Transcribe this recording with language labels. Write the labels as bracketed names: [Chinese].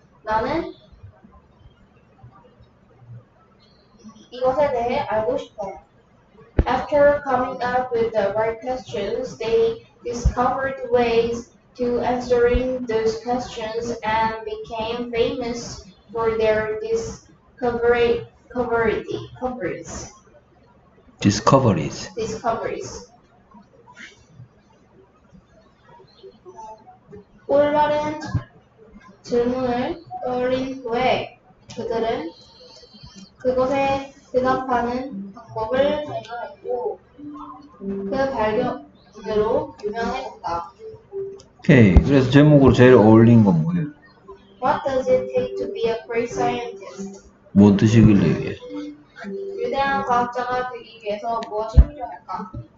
[Korean] 나는 이것에 대해 알고 싶어. [English] After coming up with the right questions, they discovered ways to answering those questions and became famous for their discoveries. [Korean] 올바른 질문을 떠올린 후에 그들은 그것에 대답하는 방법을 발견했고 그 발견으로 유명해졌다. 오케이. 그래서 제목으로 제일 어울린 건 뭐예요? [English] What does it take to be a great scientist? [Korean] 뭔 뜻이길래 이게? 위대한 과학자가 되기 위해서 무엇이 필요할까?